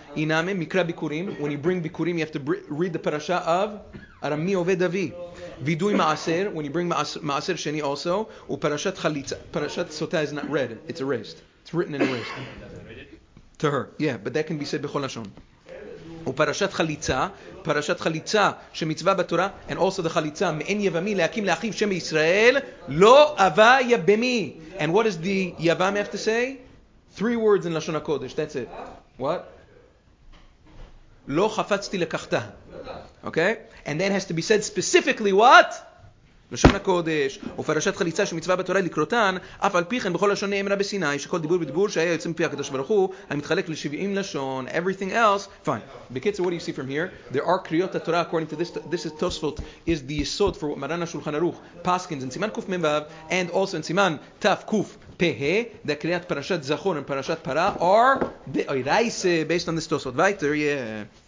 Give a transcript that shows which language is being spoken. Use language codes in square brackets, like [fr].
[en] Iname, mikra bikurim, when you bring bikurim, you have to read the parasha of Arami Oved Avi. Vidui Ma'aser, when you bring Ma'aser Sheni also, uParashat Chalitza, Parashat Sota is not read, it's erased. It's written and erased. To her. Yeah, but that can be said B'chol Lashon. [he] וparashat חליצה, parashat חליצה שמצווה בתורה, [en] and also the [he] חליצה מאין יבמי להקים לאחיו שם ישראל לא אבא יבמי. [en] And what does the יבם have to say? Three words in לשון הקודש. That's it. What? [he] לא חפצתי לקחתה. [en] Okay? And then has to be said specifically what? [he] לשון הקודש, ופרשת חליצה שמצווה בתורה לקרותן, אף על פי כן בכל לשון נאמרה בסיני, שכל דיבור בדיבור שהיה יוצא מפי הקדוש ברוך הוא, המתחלק לשבעים לשון, [en] everything else, fine. בקיצור, what do you see from here? There are קריאות התורה, according to this, this is Tosfot, is the יסוד for מרן השולחן ערוך, פסקינס, and סימן קוף מבב, and also in סימן תף קוף פה, the קריאת פרשת זכור and פרשת פרה, are the oiraise, based on this Tosfot. [de] Weiter, [en] yeah.